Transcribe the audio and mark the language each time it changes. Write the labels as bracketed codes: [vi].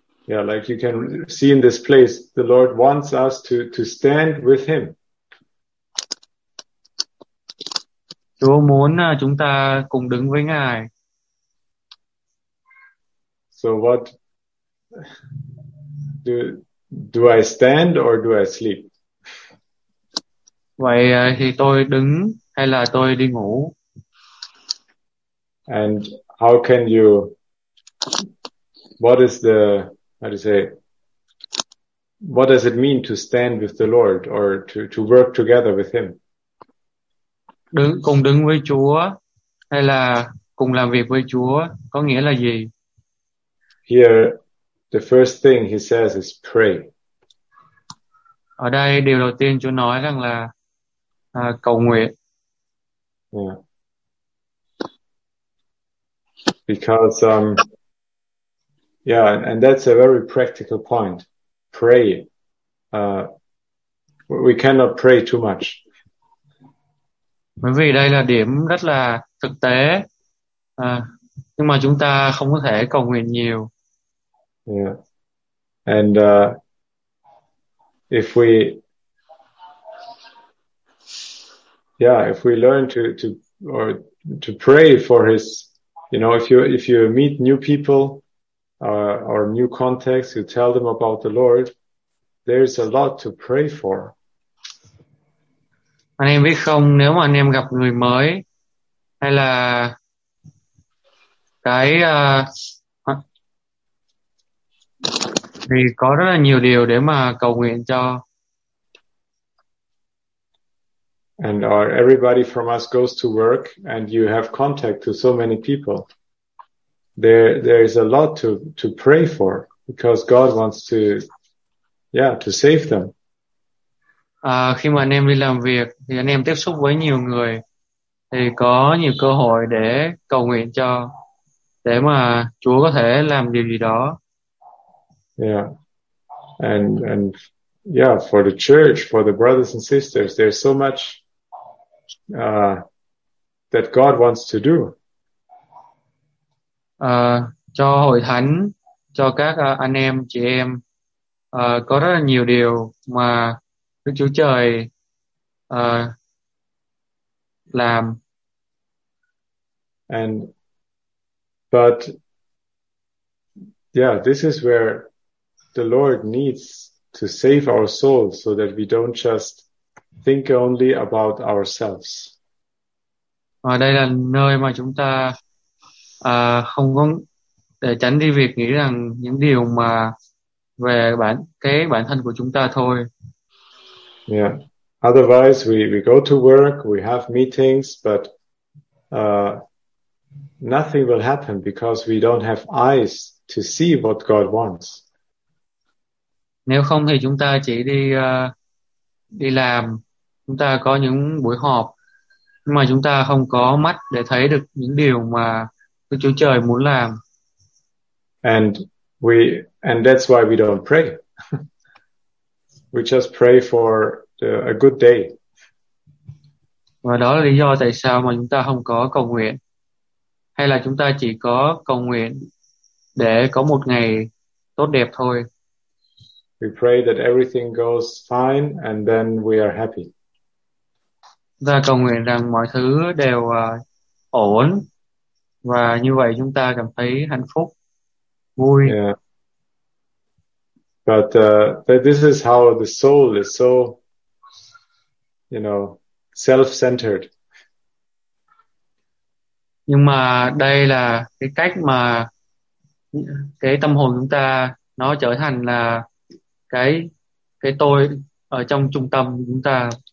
[en] Yeah, like you can see in this place, the Lord wants us to stand with him. [vi] Chúa muốn chúng ta cùng đứng với ngài. [en] So what do I stand or do I sleep? [vi] Vậy thì tôi đứng hay là tôi đi ngủ? [en] And how can you, what is the, how to say, what does it mean to stand with the Lord or to work together with him? [vi] đứng cùng đứng với Chúa hay là cùng làm việc với Chúa có nghĩa là gì? [en] Here, the first thing he says is pray. [vi] Ở đây điều đầu tiên Chúa nói rằng là cầu nguyện. [en] Yeah. Because yeah, and that's a very practical point. Pray. We cannot pray too much. [vi] Bởi vì đây là điểm rất là thực tế. Nhưng mà chúng ta không có thể cầu nguyện nhiều. [en] Yeah. And if we learn to pray for his, you know, if you meet new people or new contacts, you tell them about the Lord, there's a lot to pray for. [vi] Anh em biết không, nếu mà anh em gặp người mới hay là cái thì có rất là nhiều điều để mà cầu nguyện cho. [en] And our, everybody from us goes to work and you have contact to so many people. There is a lot to pray for because God wants to, yeah, to save them. [vi] Khi mà anh em đi làm việc thì anh em tiếp xúc với nhiều người thì có nhiều cơ hội để cầu nguyện cho, để mà Chúa có thể làm điều gì đó. [en] Yeah. And yeah, for the church, for the brothers and sisters, there's so much that God wants to do. [vi] Cho hội thánh, cho các anh em, chị em có rất là nhiều điều mà Đức Chúa Trời làm. [en] And but yeah, this is where the Lord needs to save our souls so that we don't just think only about ourselves. [vi] Và đây là nơi mà chúng ta không có để tránh đi việc nghĩ rằng những điều mà về bản thân của chúng ta thôi. [en] Yeah. Otherwise we go to work, we have meetings, but nothing will happen because we don't have eyes to see what God wants. [vi] Nếu không thì chúng ta chỉ đi đi làm, chúng ta có những buổi họp nhưng mà chúng ta không có mắt để thấy được những điều mà Đức Chúa Trời muốn làm. [en] And that's why we don't pray. We just pray for a good day. [vi] Và đó là lý do tại sao mà chúng ta không có cầu nguyện. Hay là chúng ta chỉ có cầu nguyện để có một ngày tốt đẹp thôi. [en] We pray that everything goes fine and then we are happy. [vi] Và cầu nguyện rằng mọi thứ đều ổn và như vậy chúng ta cảm thấy hạnh phúc, vui. [en] Yeah. But this is how the soul is so, you know, self-centered. [vi] Nhưng mà đây là cái cách mà cái tâm hồn chúng ta nó trở thành là cái tôi ở trong trung tâm chúng ta.